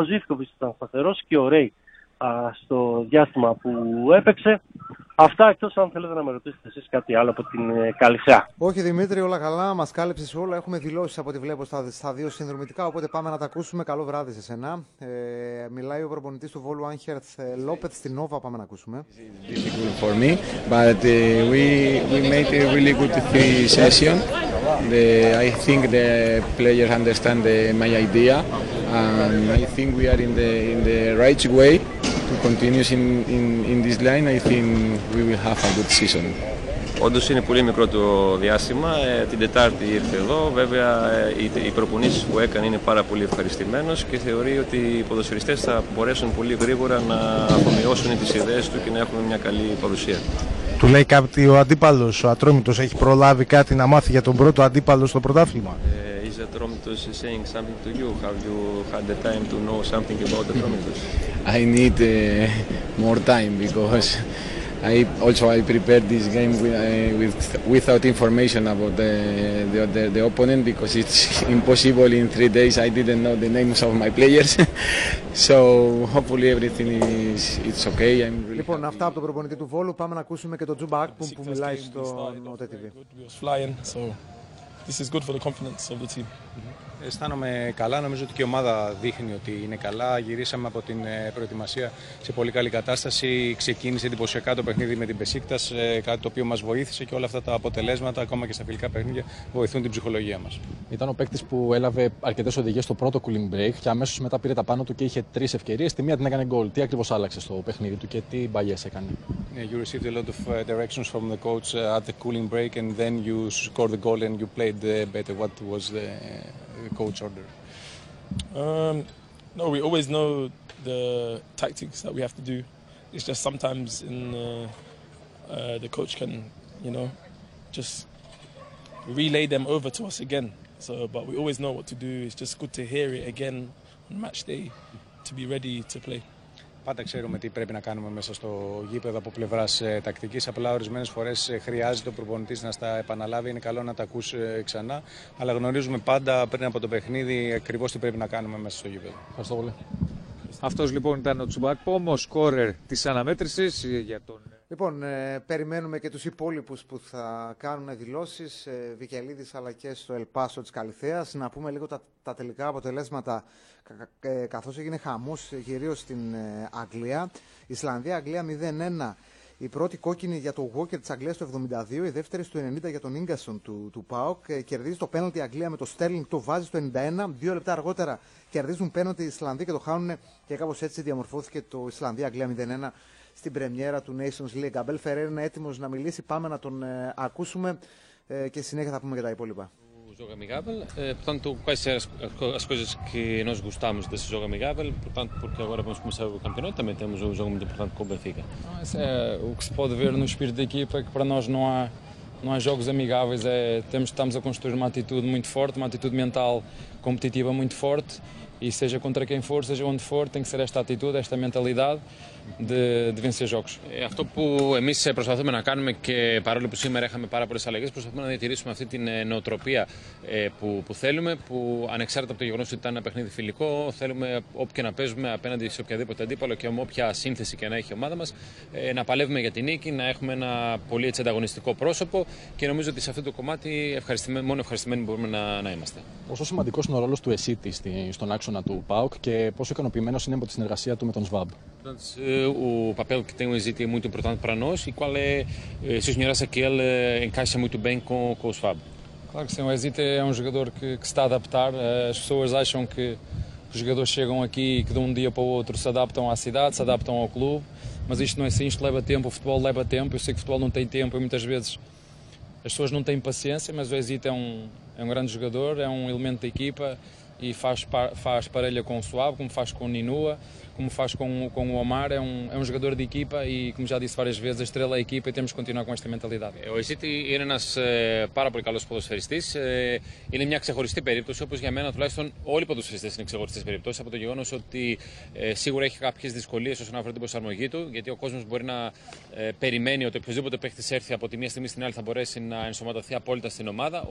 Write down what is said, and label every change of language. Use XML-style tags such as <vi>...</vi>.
<el>Ο Ζήφκοβιτς ήταν σταθερός και ο Ρέι στο διάστημα που έπαιξε. Αυτά εκτός αν θέλετε να με ρωτήσετε εσείς κάτι άλλο από την Καλυφαία. Όχι Δημήτρη, όλα καλά. Μας κάλυψες όλα. Έχουμε δηλώσεις από ό,τι βλέπω στα δύο συνδρομητικά. Οπότε πάμε να τα ακούσουμε. Καλό βράδυ σε σένα. Μιλάει ο προπονητής του Βόλου Άνχερθ Λόπεθ στην Νόβα. Πάμε να ακούσουμε.</el> <en>Difficult for me, but we made a really good three session. I think the players understand my idea and I think we are in the right way. Που continues in this line, I think we will have a good season.</en> <el>Όντως είναι πολύ μικρό το διάστημα. Την Τετάρτη ήρθε εδώ. Βέβαια, οι προπονήσεις που έκανε είναι πάρα πολύ ευχαριστημένος και θεωρεί ότι οι ποδοσφαιριστές θα μπορέσουν πολύ γρήγορα να αφομοιώσουν τις ιδέες του και να έχουν μια καλή παρουσία. Του λέει κάτι ο αντίπαλος, ο Ατρόμητος, έχει προλάβει κάτι να μάθει για τον πρώτο αντίπαλο στο πρωτάθλημα.</el> <en>Is Ατρόμητος saying something to you? Have you had the time to know something about Ατρόμητος? I need more time because I prepared this game without information about the opponent because it's impossible in 3 days. I didn't know the names of my players. So hopefully everything it's okay. I'm really happy.</en> <el>Λοιπόν, αυτά από τον προπονητή του Βόλου. Πάμε να ακούσουμε και τον Τζούμπα Ακπουμ που μιλάει στο OTE TV.</el> <en>This is good for the confidence of the team.</en> <el>Αισθάνομαι καλά, νομίζω ότι και η ομάδα δείχνει ότι είναι καλά. Γυρίσαμε από την προετοιμασία σε πολύ καλή κατάσταση. Ξεκίνησε εντυπωσιακά το παιχνίδι με την Μπεσίκτας, κάτι το οποίο μας βοήθησε και όλα αυτά τα αποτελέσματα, ακόμα και στα φιλικά παιχνίδια, βοηθούν την ψυχολογία μας. Ήταν ο παίκτης που έλαβε αρκετές οδηγίες στο πρώτο cooling break και αμέσως μετά πήρε τα πάνω του και είχε τρεις ευκαιρίες. Τη μία την έκανε γκολ. Τι ακριβώς άλλαξε στο παιχνίδι του και τι μπαγιές έκανε?</el> <en>You received a lot of directions from the coach at the cooling break and then you scored the goal and you played better. What was the coach order? No, we always know the tactics that we have to do. It's just sometimes in the coach can, you know, just relay them over to us again. So, but we always know what to do. It's just good to hear it again on match day to be ready to play.</en> <el>Πάντα ξέρουμε τι πρέπει να κάνουμε μέσα στο γήπεδο από πλευράς τακτικής. Απλά ορισμένες φορές χρειάζεται ο προπονητής να στα επαναλάβει. Είναι καλό να τα ακούς ξανά. Αλλά γνωρίζουμε πάντα πριν από το παιχνίδι ακριβώς τι πρέπει να κάνουμε μέσα στο γήπεδο. Ευχαριστώ πολύ. Αυτός λοιπόν ήταν ο Τσούμπα Ακπομ, ο σκόρερ της αναμέτρησης για τον... Λοιπόν, περιμένουμε και τους υπόλοιπους που θα κάνουν δηλώσεις, Βικελίδης αλλά και στο Ελπάσο της Καλυθέας. Να πούμε λίγο τα τελικά αποτελέσματα, καθώς έγινε χαμός κυρίως στην Αγγλία. Ισλανδία-Αγγλία 0-1. Η πρώτη κόκκινη για το Walker της Αγγλίας το 72, η δεύτερη στο 90 για τον Ίγκασον του ΠΑΟΚ. Κερδίζει το πέναλτι η Αγγλία με το Sterling, το βάζει στο 91. Δύο λεπτά αργότερα κερδίζουν πέναλτι οι Ισλανδοί και το χάνουν. Και κάπως έτσι διαμορφώθηκε το Ισλανδία-Αγγλία 0-1. Στην πρεμιέρα του Nations League. Αμπέλ Φερέιρα είναι έτοιμος να μιλήσει. Πάμε να τον ακούσουμε και συνέχεια θα πούμε για τα υπόλοιπα.</el> <pt>Joga amigável, portanto, quais são as coisas que nós gostamos desse jogo amigável, portanto, porque agora vamos começar o campeonato, também temos um jogo muito importante com o Benfica. É o que se pode ver no espírito da equipa, que para nós não há jogos amigáveis, estamos a construir uma atitude muito forte, uma atitude mental competitiva muito forte, e seja contra quem for, seja onde for, tem que ser esta atitude, esta mentalidade de vencer jogos. É aquilo que</pt> <el>εμείς προσπαθούμε να κάνουμε και παρόλο που σήμερα είχαμε πάρα πολλές αλλαγές, προσπαθούμε να διατηρήσουμε αυτή την νοοτροπία που θέλουμε, που ανεξάρτητα από το γεγονός ότι ήταν ένα παιχνίδι φιλικό, θέλουμε όπου και να παίζουμε απέναντι σε οποιαδήποτε αντίπαλο και με όποια σύνθεση και να έχει η ομάδα μας, να παλεύουμε για την νίκη, να έχουμε ένα πολύ έτσι ανταγωνιστικό πρόσωπο και νομίζω ότι σε αυτό το κομμάτι μόνο ευχαριστημένοι μπορούμε να είμαστε. Πόσο σημαντικός είναι ο ρόλος του Εσίτη στον άξονα του ΠΑΟΚ και πόσο ικανοποιημένος είναι από τη συνεργασία του με τον ΣΒΑΜ?</el> <pt>O papel que tem o Exit é muito importante para nós e qual é, se o senhor acha que ele encaixa muito bem com o Fábio? Claro que sim, o Exit é um jogador que se está a adaptar. As pessoas acham que Os jogadores chegam aqui e que de um dia para o outro se adaptam à cidade, se adaptam ao clube, mas isto não é assim, isto leva tempo, o futebol leva tempo. Eu sei que o futebol não tem tempo e muitas vezes as pessoas não têm paciência, mas o Ezito é um grande jogador, é um elemento da equipa e faz parelha com o Suave, como faz com o Ninua, como faz com o Omar, é um jogador de equipa e, como já disse várias vezes, a estrela é a equipa e temos que continuar com esta mentalidade.</pt> <el>O Ezito είναι ένας πάρα πολύ καλός ποδοσφαιριστής. Είναι μια ξεχωριστή περίπτωση, όπως για μένα τουλάχιστον όλοι οι ποδοσφαιριστές είναι ξεχωριστές περιπτώσεις, από το γεγονός ότι σίγουρα έχει κάποιες δυσκολίες όσον αφορά την προσαρμογή του, γιατί ο κόσμος μπορεί να περιμένει ότι οποιοδήποτε παίχτης έρθει από τη μία στιγμή στην άλλη θα μπορέσει να ενσωματωθεί απόλυτα στην ομάδα.</el>